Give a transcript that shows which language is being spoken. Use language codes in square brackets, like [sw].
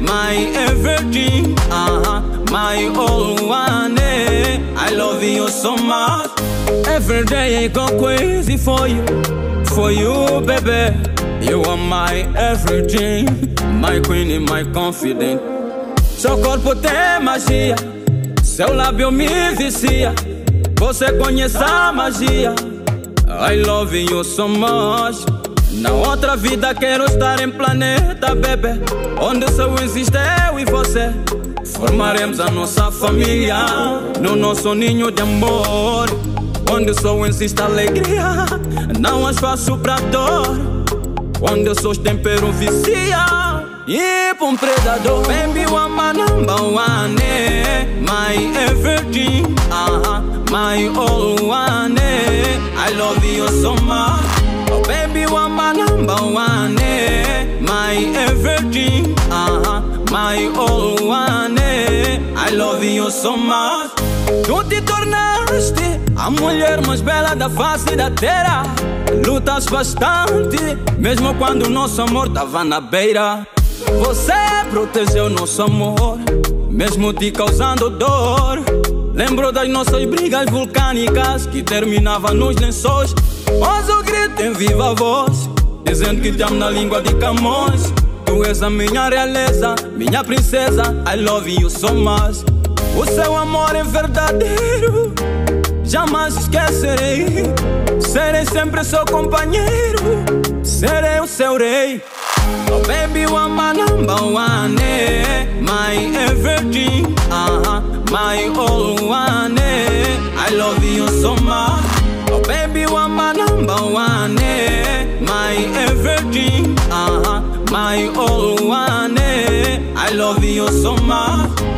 [en] My everything, my all one, eh? I love you so much. Every day I go crazy for you, baby. You are my everything, my queen and my confidant. [pt] Seu corpo tem magia, seu lábio me vicia. Você conhece a magia. [en] I love you so much. [pt] Na outra vida quero estar em planeta, bebê. Onde só existe eu e você. Formaremos a nossa família. No nosso ninho de amor. Onde só existe alegria. Não há espaço pra dor. Onde só os temperos vicia. E pra predador. [en] Baby, you are my number one, eh? My everything, my all one, eh? I love you so much. Oh, baby, you are my number one, eh? My everything, my all one, eh? I love you so much. [pt] Tu te tornaste a mulher mais bela da face da terra. Lutas bastante, mesmo quando nosso amor tava na beira. Você protegeu nosso amor, mesmo te causando dor. Lembro das nossas brigas vulcânicas que terminavam nos lençóis. Hoje eu grito em viva voz, dizendo que te amo na língua de Camões. Tu és a minha realeza, minha princesa. [en] I love you so much. [pt] O seu amor é verdadeiro, jamais esquecerei. Serei sempre seu companheiro, serei o seu rei. [en] Oh, baby, you are my number one, eh? My everything, my all one, eh? I love you so much. Oh, baby, you are my number one, eh? My everything, my all one, eh? I love you so much.